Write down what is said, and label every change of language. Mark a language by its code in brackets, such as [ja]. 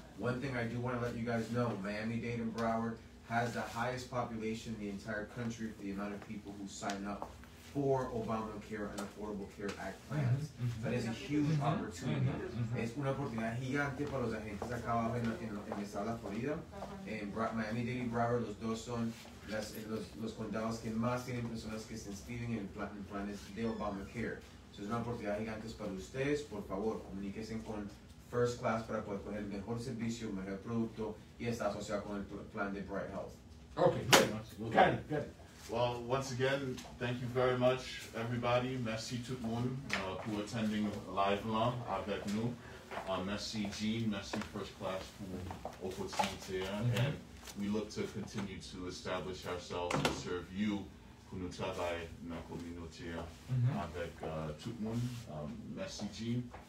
[en] One thing I do want to let you guys know, Miami-Dade and Broward has the highest population in the entire country for the amount of people who sign up for Obamacare and Affordable Care Act plans. That is a huge opportunity. [es] Es una oportunidad gigante para los agentes acá abajo en el estado de la Florida. En Miami-Dade y Broward, los dos son los condados que más tienen personas que se inscriben en planes de Obamacare. So es una oportunidad gigante para ustedes. Por favor, comuníquense con First Class para poder poner el mejor servicio, el mejor producto, y está asociado con el plan de Bright Health. [en] Okay, good. Got it, got it. Well, once again, thank you very much, everybody. [fr] Merci tout le monde, [en] who attending live [fr] là avec nous. Merci Jean, merci First Class pour l'opportunité. [en] And we look to continue to establish ourselves and serve you, [fr] pour nous travailler dans la communauté avec tout le monde. Merci Jean.